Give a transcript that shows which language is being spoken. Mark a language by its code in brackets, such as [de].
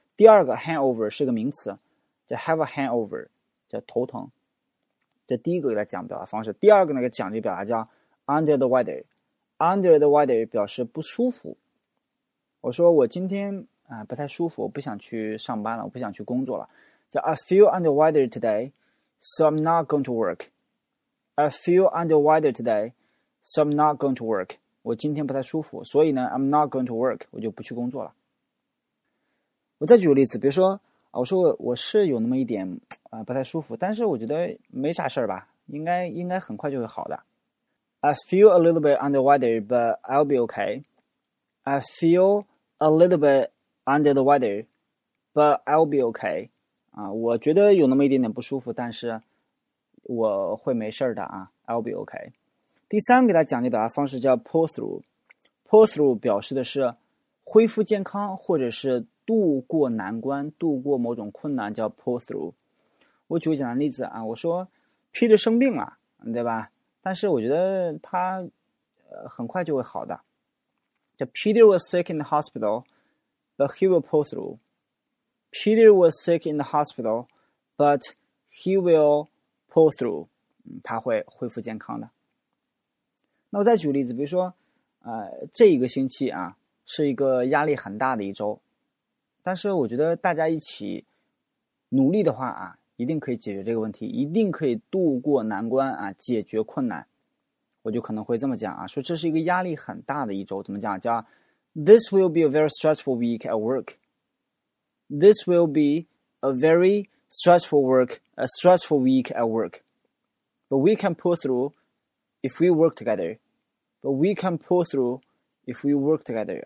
[zh] 第二个 hangover 是个名词，叫 have a hangover， 叫头疼。这第一个给他讲表达方式。第二个那个讲的表达叫 under the weather， under the weather 表示不舒服。我说我今天啊、不太舒服，我不想去上班了，我不想去工作了。 [en] 叫 I feel under weather today， so I'm not going to work。 I feel under weather today， so I'm not going to work。 [zh] 我今天不太舒服，所以呢 I'm not going to work，我就不去工作了。我再举个例子，比如说我说我是有那么一点不太舒服，但是我觉得没啥事儿吧，应该很快就会好的。 [en] I feel a little bit under weather but I'll be okay. I feel a little bit under the weather but I'll be okay. [zh] 我觉得有那么一点点不舒服，但是我会没事的啊， I'll be okay. 第三给大家讲的表达方式叫 pull through. Pull through 表示的是恢复健康，或者是度过难关，度过某种困难，叫 pull through。我举个简单例子啊，我说 Peter 生病了对吧，但是我觉得他很快就会好的。 [en] Peter was sick in the hospital but he will pull through. Peter was sick in the hospital but he will pull through、他会恢复健康的。 [zh] 那我再举个例子，比如说这一个星期啊是一个压力很大的一周，但是我觉得大家一起努力的话啊，一定可以解决这个问题，一定可以度过难关啊，解决困难。我就可能会这么讲啊，说这是一个压力很大的一周，怎么讲？ [en] 叫 This will be a very stressful week at work. This will be a very stressful work, a stressful week at work. But we can pull through if we work together. But we can pull through if we work together.